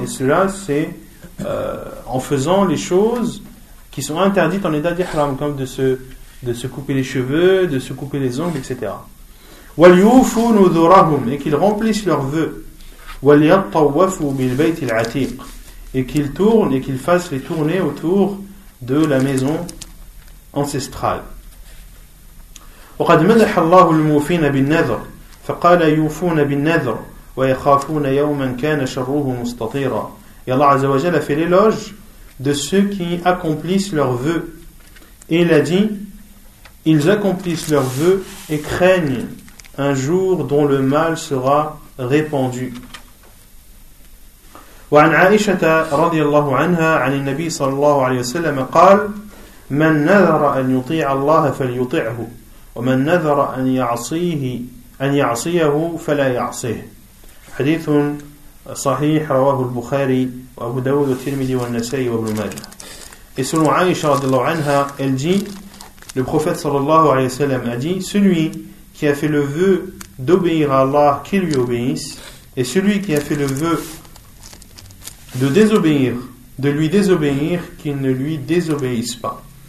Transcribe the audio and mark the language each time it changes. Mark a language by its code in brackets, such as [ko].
[fr] Et cela, c'est en faisant les choses qui sont interdites en état d'ihram, comme de se couper les cheveux, de se couper les ongles, etc. [ar] وَلْيُوفُوا نُذُرَهُمْ, [fr] et qu'ils remplissent leurs vœux. [ar] وَلْيَطَّوَّفُوا بِالْبَيْتِ الْعَتِيقِ, [fr] et qu'ils tournent et qu'ils fassent les tournées autour de la maison ancestrale. [ar] وقد مدح الله الموفين بالنذر فقال يوفون بالنذر ويخافون يوما كان شره مستطيرا. [fr] Et Allah [ar] عز وجل [fr] a fait l'éloge de ceux qui accomplissent leurs vœux Et il a dit, ils accomplissent leurs vœux et craignent un jour dont le mal sera répandu. [ar] وعن عائشة رضي الله عنها عن النبي صلى الله عليه وسلم قال من نذر أن يطيع الله فليطعه ومن نذر أن يعصيه أن يعصيه فلا يعصيه. حديث صحيح رواه البخاري وأبو داود والترمذي والنسائي وابن ماجه. [fr] Et selon Aïcha [ar] رضي الله عنها, [fr] elle dit, le prophète [ar] صلى الله عليه وسلم [fr] a dit, celui qui a fait le vœu d'obéir à Allah, qu'il lui obéisse, et celui qui a fait le vœu de désobéir, de lui désobéir, qu'il ne lui désobéisse pas.